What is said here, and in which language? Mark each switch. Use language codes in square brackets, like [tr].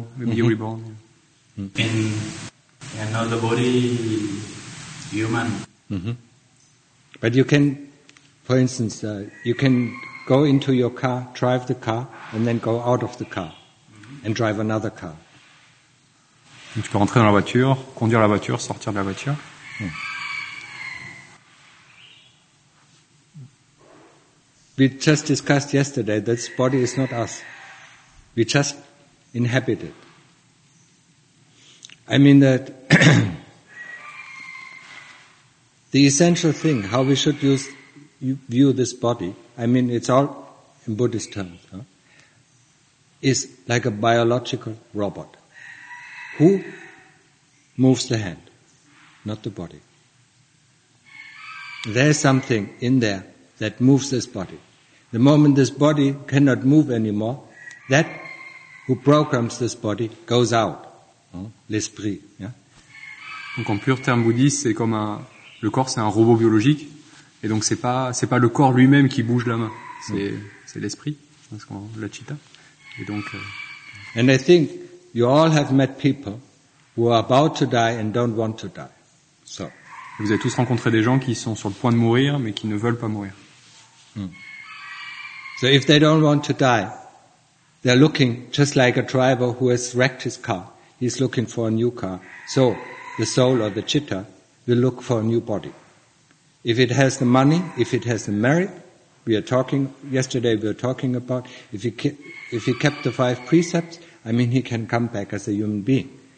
[en] be reborn. In another body, human. But you can, for instance, you can go into your car, drive the car, and then go out of the car and drive another car. [fr] Tu peux rentrer dans la voiture, conduire la voiture, sortir de la voiture. [en] We just discussed yesterday that this body is not us. We just inhabit it. I mean that the essential thing, how we should view this body, I mean it's all in Buddhist terms, huh? Is like a biological robot. Who moves the hand? Not the body. There's something in there that moves this body. The moment this body cannot move anymore, that who programs this body goes out. Huh? L'esprit. Yeah? [fr] Donc en pur terme bouddhiste, c'est comme un... Le corps, c'est un robot biologique, et donc c'est pas le corps lui-même qui bouge la main, c'est l'esprit, parce qu'on la chitta. Et donc. [en] And I think you all have met people who are about to die and don't want to die. So. [fr] Vous avez tous rencontré des gens qui sont sur le point de mourir, mais qui ne veulent pas mourir. [en] So if they don't want to die, they're looking just like a driver who has wrecked his car. He's looking for a new car. So the soul or the chitta. We look for a new body. If it has the money, if it has the merit, we were talking about, if he kept the five precepts, I mean he can come back as a human being.